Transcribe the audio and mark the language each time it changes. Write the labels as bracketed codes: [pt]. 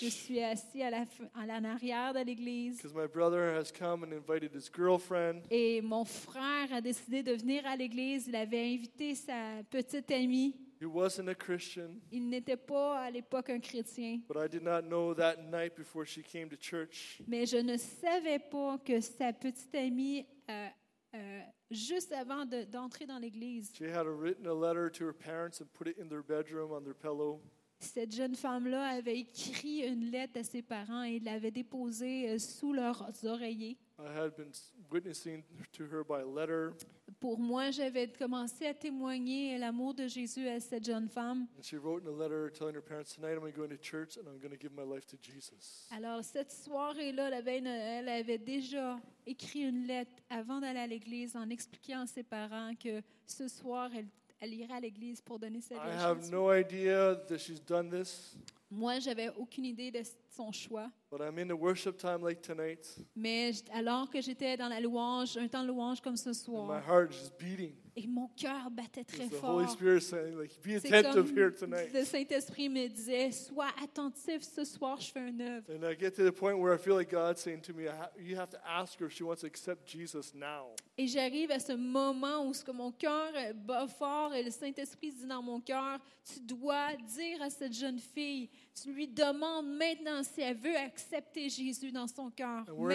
[fr] Je suis assis en arrière de l'église. [en] Because my brother has come and invited his girlfriend. [fr] Et mon frère a décidé de venir à l'église, il avait invité sa petite amie. [en] He wasn't a Christian. [fr] Il n'était pas à l'époque un chrétien. [en] But I did not know that night before she came to church. [fr] Mais je ne savais pas que sa petite amie, juste avant d'entrer dans l'église, [en] she had written a letter to her parents and put it in their bedroom on their pillow. [fr] Cette jeune femme-là avait écrit une lettre à ses parents et l'avait déposée sous leurs oreillers. [en] I had been witnessing to her by letter. [fr] Pour moi, j'avais commencé à témoigner l'amour de Jésus à cette jeune femme. [en] And she wrote in a letter telling her parents, "Tonight I'm going to church and I'm going to give my life to Jesus." [fr] Alors cette soirée-là, la veille, elle avait déjà écrit une lettre avant d'aller à l'église en expliquant à ses parents que ce soir, elle irait à l'église pour donner sa vie à Jésus. [en] I have no idea that she's done this. [fr] Moi, j'avais aucune idée de son choix. [en] But I'm in the worship time like tonight. [fr] Mais alors que j'étais dans la louange, un temps de louange comme ce soir. [en] My heart is beating. [fr] Et mon cœur battait très fort. [en] The Holy Spirit saying, like, be attentive here tonight. [fr] Le Saint-Esprit me disait, sois attentif ce soir, je fais une œuvre. [en] And I get to the point where I feel like God saying to me, you have to ask her if she wants to accept Jesus now. [fr] Et j'arrive à ce moment où ce que mon cœur bat fort et le Saint-Esprit dit dans mon cœur, tu dois dire à cette jeune fille, tu lui demandes maintenant si elle veut accepter Jésus dans son cœur.